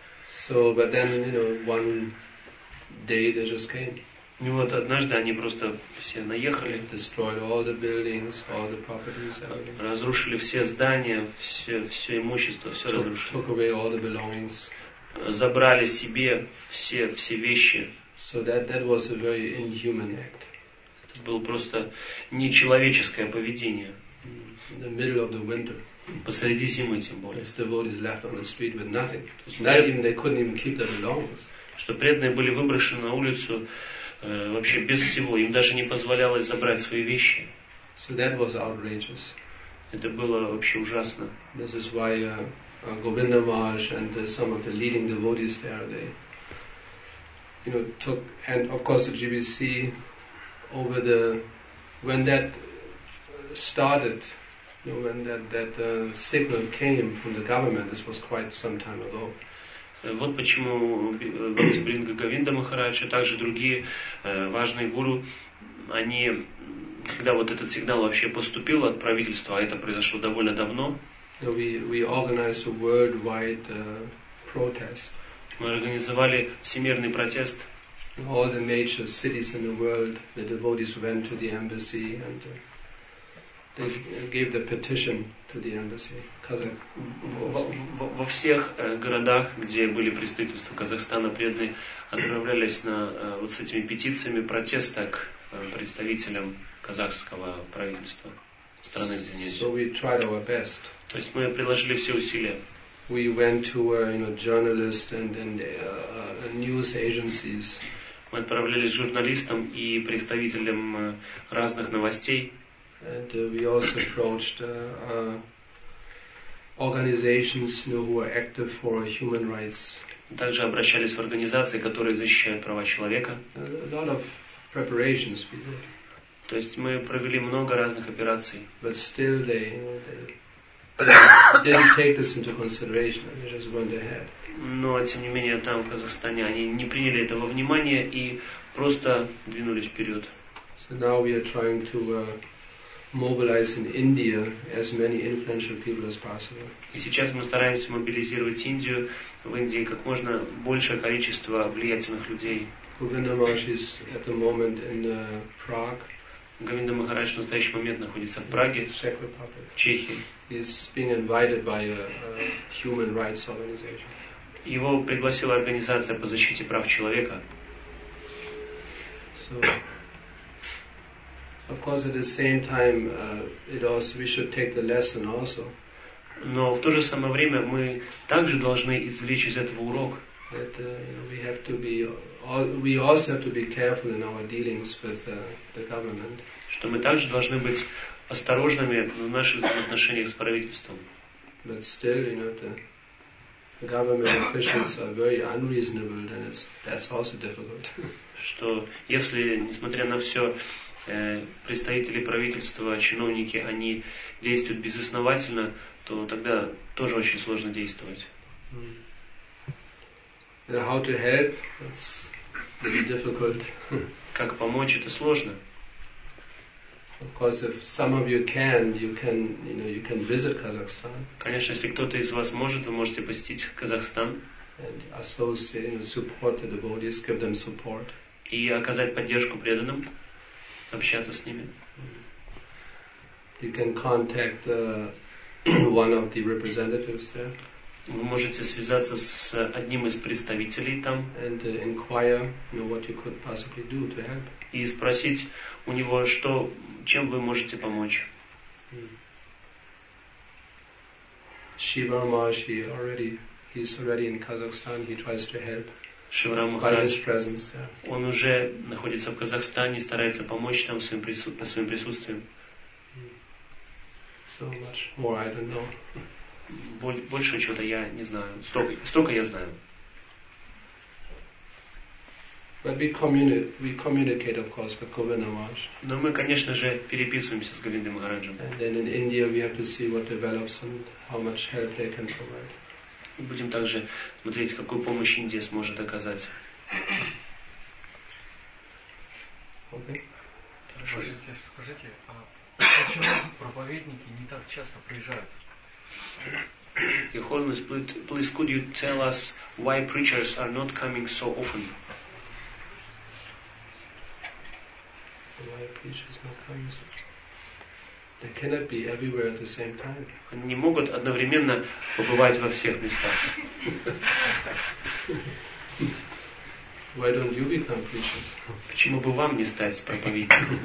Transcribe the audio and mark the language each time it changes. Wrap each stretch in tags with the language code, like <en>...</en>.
<en>So, but then, you know, one day they just came.</en> <ru>И вот однажды они просто все наехали.</ru> <en>Destroyed all the buildings, all the properties.</en> <ru>Разрушили все здания, все имущество, все разрушили.</ru> <en>Took away all the belongings.</en> <ru>Забрали себе все вещи.</ru> <en>So that was a very inhuman act.</en> <ru>Было просто нечеловеческое поведение.</ru> <en>In the middle of the winter.</en> <ru>Посреди зимы, тем более.</ru> <en>The devotees left on the street with nothing. Not even they couldn't even keep their belongings.</en> <ru>Что преданные были выброшены на улицу вообще без всего. Им даже не позволялось забрать свои вещи.</ru> <en>So that was outrageous.</en> <ru>Это было вообще ужасно.</ru> <en>This is why Govinda Maharaj and some of the leading devotees there, they, you know, took, and of course the GBC. Over the when that started, you know, when that signal came from the government, this was quite some time ago.</en> <ru>Вот почему Бринга Говинда Махарадж и также другие важные гуру, они, когда вот этот сигнал вообще поступил от правительства, а это произошло довольно давно.</ru> <en>We organized a worldwide protest.</en> <ru>Мы организовали всемирный протест.</ru> <en>All the major cities in the world, the devotees went to the embassy and they gave the petition to the embassy. Kazakh.</en> <ru>Во всех городах, где были представительства Казахстана, преданные отправлялись на вот с этими петициями протеста к представителям казахского правительства страны.</ru> <en>So we tried our best.</en> <ru>То есть мы приложили все усилия.</ru> <en>We went to you know, journalists and news agencies.</en> <ru>Мы отправлялись журналистам и представителям разных новостей.</ru> <en>And we also approached organizations, you know, who are active for human rights.</en> <ru>Также обращались в организации, которые защищают права человека.</ru> <en>A lot of preparations we did.</en> <ru>То есть мы провели много разных операций.</ru> <en>But still they didn't take this into consideration. They just went ahead.</en> <ru>Но, тем не менее, там, в Казахстане, они не приняли этого внимания и просто двинулись вперед.</ru> <en>So now we are trying to mobilize in India as many influential people as possible.</en> <ru>И сейчас мы стараемся мобилизировать Индию, в Индии как можно большее количество влиятельных людей.</ru> <en>Govinda Maharaj is at the moment in Prague.</en> <ru>Говинда Махарадж в настоящий момент находится в Праге, Чехии.</ru> <en>He is being invited by a human rights organization.</en> <ru>Его пригласила организация по защите прав человека.</ru> <en>So, of course, at the same time, it also we should take the lesson also.</en> <ru>Но в то же самое время мы также должны извлечь из этого урок.</ru> <en>That we also have to be careful in our dealings with the government.</en> <ru>Что мы также должны быть осторожными в наших отношениях с правительством.</ru> <en>But still, you know, the government officials are very unreasonable, then that's also difficult.</en> <ru>Что если, несмотря на все, представители правительства, чиновники, они действуют безосновательно, то тогда тоже очень сложно действовать.</ru> <en>And how to help? That's really difficult.</en> <ru>Как помочь? Это сложно.</ru> <en>Of course, if some of you can, you know, you can visit Kazakhstan.</en> <ru>Конечно, если кто-то из вас может, вы можете посетить Казахстан.</ru> <en>And associate, you know, support the devotees, give them support.</en> <ru>И оказать поддержку преданным, общаться с ними.</ru> <en>You can contact one of the representatives there.</en> <ru>Вы можете связаться с одним из представителей там.</ru> <en>And inquire, you know, what you could possibly do to help.</en> <ru>И спросить у него, что чем вы можете помочь?</ru> <en>Shivram Maharshi already, he's already in Kazakhstan. He tries to help. Shivram Maharshi.</en> <ru>Он уже находится в Казахстане, старается помочь там своим присутствием.</ru> <en>So much more I don't know.</en> <ru>Больше чего-то я не знаю. Столько я знаю.</ru> <en>But we communicate, of course, with Govinda Maharaj.</en> <ru>Но мы, конечно же, переписываемся с Говиндой Махараджем.</ru> <en>And then in India we have to see what develops and how much help they can provide.</en> <ru>И будем также смотреть, какую помощь Индия сможет оказать.</ru> <en>Okay.</en> <ru>Хорошо. Скажите, скажите, а почему проповедники не так часто приезжают?</ru> <en>Your Holiness, please could you tell us why preachers are not coming so often? Why preachers not coming so often? They cannot be everywhere at the same time.</en> <ru>Они не могут одновременно побывать во всех местах.</ru> <en>Why don't you become preachers?</en> <ru>Почему бы вам не стать проповедником?</ru>